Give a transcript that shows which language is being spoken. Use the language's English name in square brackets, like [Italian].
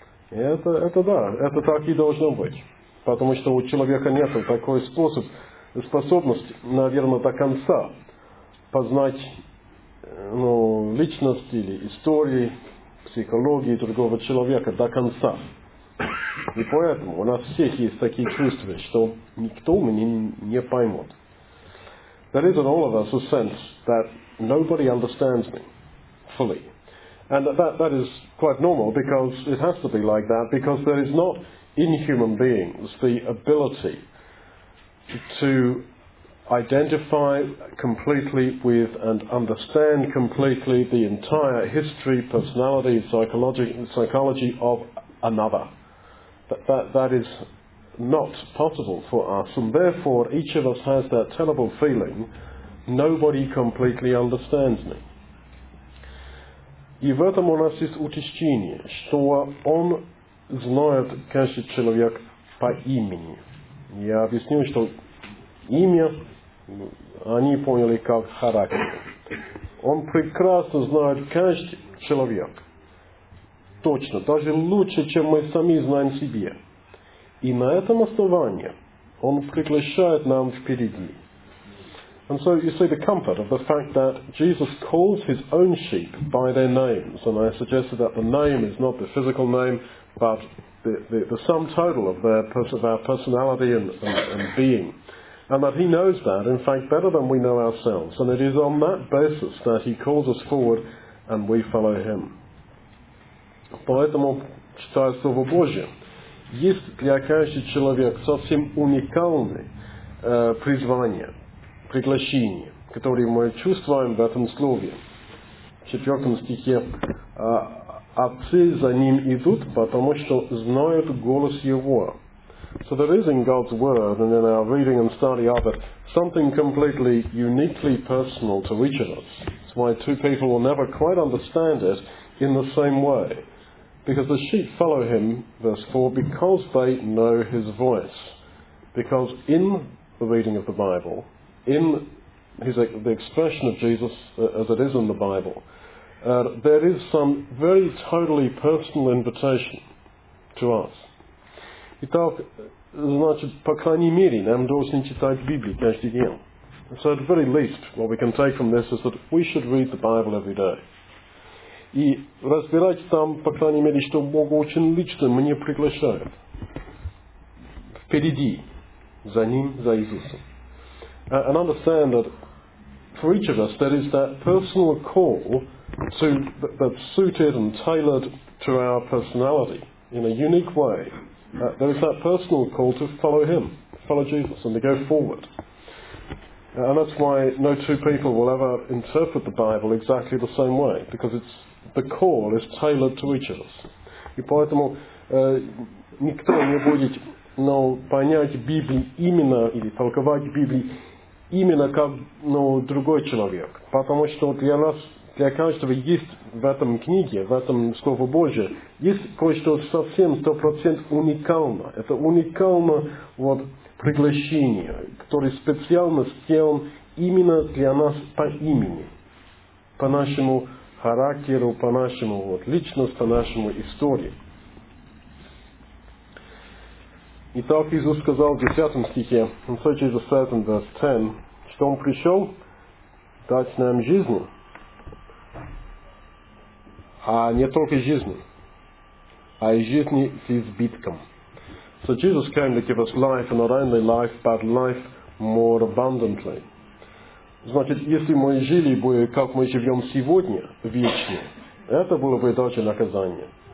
[Russian] Это да, это так и должно быть. Потому что у человека нет такой способности, наверное, до конца познать личность или истории, психологии другого человека до конца. И поэтому у нас всех есть такие чувства, что никто меня не поймет. [English] There is in all of us a sense that nobody understands me fully. And that is quite normal, because it has to be like that, because there is not in human beings the ability to identify completely with and understand completely the entire history, personality, psychology of another. That is not possible for us, and therefore each of us has that terrible feeling, nobody completely understands me. [Russian] И в этом у нас есть утешение, что он знает каждый человек по имени. Я объясню, что имя они поняли как характер. Он прекрасно знает каждый человек. Точно, даже лучше, чем мы сами знаем себе. И на этом основании он приглашает нам впереди. [English] And so you see the comfort of the fact that Jesus calls his own sheep by their names. And I suggested that the name is not the physical name, but the sum total of our personality and being. And that he knows that, in fact, better than we know ourselves. And it is on that basis that he calls us forward and we follow him. [Russian] Поэтому, читая Слово Божие, есть для каждого человека совсем уникальное призвание. Приглашение, которое мы чувствуем в этом слове. В 4 стихе «Отцы за ним идут, потому что знают голос его». [English] So there is in God's Word, and in our reading and study of it, something completely, uniquely personal to each of us. It's why two people will never quite understand it in the same way. Because the sheep follow him, verse 4, because they know his voice. Because in the reading of the Bible, in the expression of Jesus, as it is in the Bible, there is some very totally personal invitation to us. [Russian] Итак, значит, по крайней мере, нам должны читать Библию каждый день. [English] So at the very least, what we can take from this is that we should read the Bible every day. [Russian] И разбирать там, по крайней мере, что Бог очень лично мне приглашает. Впереди, за Ним, за Иисусом. [English] And understand that for each of us there is that personal call that's suited and tailored to our personality in a unique way. There is that personal call to follow him, follow Jesus, and to go forward. And that's why no two people will ever interpret the Bible exactly the same way, because the call is tailored to each of us. [Russian] И поэтому никто не будет понять Библию именно или толковать Библию именно как другой человек. Потому что для нас, для каждого есть в этом книге, в этом Слове Божие, есть кое-что совсем 100% уникально. Это уникально приглашение, которое специально сделано именно для нас по имени, по нашему характеру, по нашему личности, по нашему истории. Итак, Иисус сказал в 10 стихе, [English] and so Jesus said in verse 10, [Russian] что он пришел дать нам жизнь, а не только жизнь, а и жизнь с избытком. [English] So Jesus came to give us life, and not only life, but life more abundantly. [Russian] Значит, если мы жили бы, как мы живем сегодня, вечно, это было бы даже наказание.